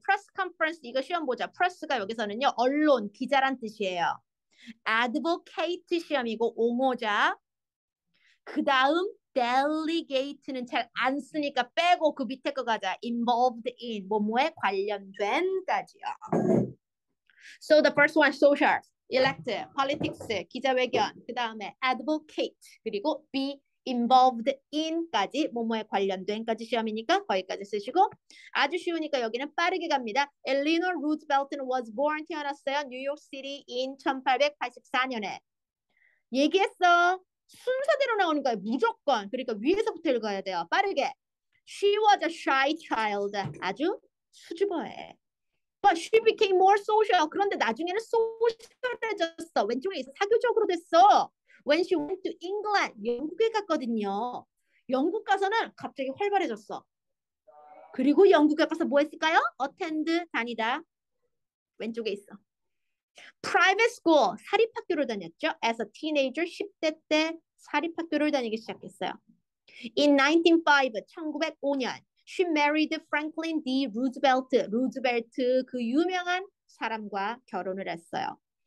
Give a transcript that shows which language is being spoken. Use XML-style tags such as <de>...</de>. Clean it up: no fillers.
<ko>프레스 컨퍼런스 이거 시험 보자. 프레스가 여기서는요. 언론, 기자란 뜻이에요. 애드보케이트 시험이고 옹호자. 그다음 델리게이트는 잘안 쓰니까 빼고 그 밑에 거 가자.</ko> <en>involved in</en> <ko>뭐뭐에 관련된까지요.</ko> <en>So the first one social, elect, politics, 기자회견.</en> <ko>그다음에 advocate 그리고</ko> <en>be involved in</en> <ko>까지 뭐뭐에 관련된까지 시험이니까 거기까지 쓰시고 아주 쉬우니까 여기는 빠르게 갑니다. 엘리노 루즈벨트는</ko> <en>was born</en> <ko>태어났어요. 뉴욕 시티 in 1884년에. 얘기했어. 순서대로 나오는 거야. 무조건. 그러니까 위에서부터 읽어야 돼요.</ko> <en>빠르게. She was a shy child.</en> <ko>아주 수줍어해.</ko> <en>But she became more social.</en> <ko>그런데 나중에는 소셜해졌어. 왼쪽에 사교적으로 됐어.</ko> <en>When she went to England,</en> <ko>영국에 갔거든요. 영국 가서는 갑자기 활발해졌어. 그리고 영국에 가서 뭐 했을까요? Attend, 다니다. 왼쪽에 있어.</ko> <en>Private school,</en> <ko>사립학교를 다녔죠.</ko> <en>As a teenager,</en> <ko>10대 때 사립학교를 다니기 시작했어요.</ko> <en>In 1905, 1905년, she married Franklin D. Roosevelt.</en> <ko>루즈벨트, 그 유명한 사람과 결혼을 했어요.</ko>